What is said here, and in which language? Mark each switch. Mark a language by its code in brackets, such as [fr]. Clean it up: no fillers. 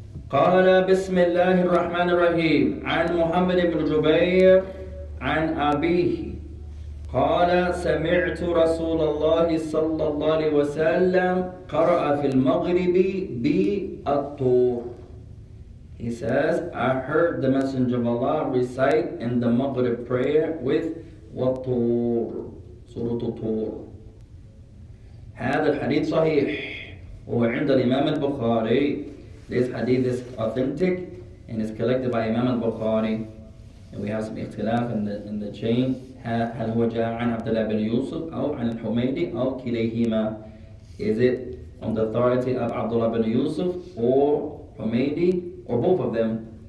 [ar] قال بسم الله الرحمن الرحيم عن محمد بن جبير عن أبيه قال سمعت رسول الله صلى الله عليه وسلم قرأ في المغرب بالطور. [en] He says I heard the messenger of Allah recite in the Maghrib prayer with وطور. [ar] سورة الطور. هذا الحديث صحيح وعند الإمام البخاري. [en] This hadith is authentic and is collected by Imam al-Bukhari. And we have some اختلاف in the chain. [ar] هل هو جاء عن عبد الله بن يوسف أو عن الحميدي أو كليهما؟ [en] Is it on the authority of Abdullah bin Yusuf or Humaydi or both of them?